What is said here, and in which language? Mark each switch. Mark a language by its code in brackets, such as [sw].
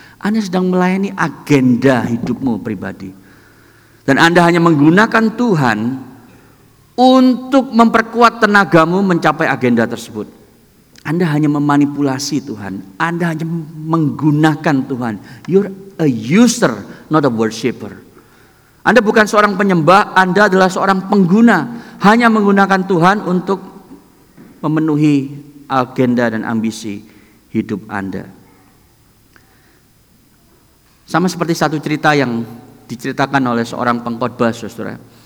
[id] Anda sedang melayani agenda hidupmu pribadi. Dan Anda hanya menggunakan Tuhan untuk memperkuat tenagamu mencapai agenda tersebut. Anda hanya memanipulasi Tuhan. Anda hanya menggunakan Tuhan. [en] You're a user, not a worshipper. [id] Anda bukan seorang penyembah, Anda adalah seorang pengguna. Hanya menggunakan Tuhan untuk memenuhi agenda dan ambisi hidup Anda. Sama seperti satu cerita yang diceritakan oleh seorang pengkhotbah, saudara.